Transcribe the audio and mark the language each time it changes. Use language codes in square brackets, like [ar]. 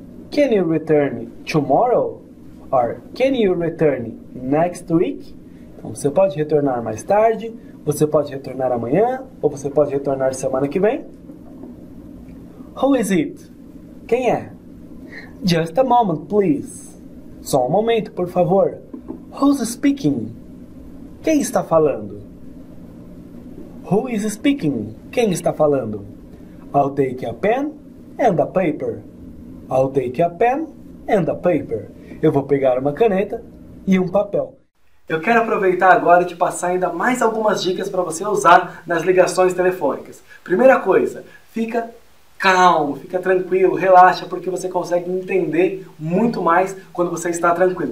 [en] Can you return tomorrow? Or can you return next week? [pt] Então, você pode retornar mais tarde, você pode retornar amanhã, ou você pode retornar semana que vem. [en] Who is it? [pt] Quem é? [en] Just a moment, please. [pt] Só um momento, por favor. [en] Who's speaking? [pt] Quem está falando? [en] Who is speaking? [pt] Quem está falando? [en] I'll take a pen and a paper. I'll take a pen and a paper. [pt] Eu vou pegar uma caneta e um papel. Eu quero aproveitar agora e te passar ainda mais algumas dicas para você usar nas ligações telefônicas. Primeira coisa, fica calmo, fica tranquilo, relaxa, porque você consegue entender muito mais quando você está tranquilo.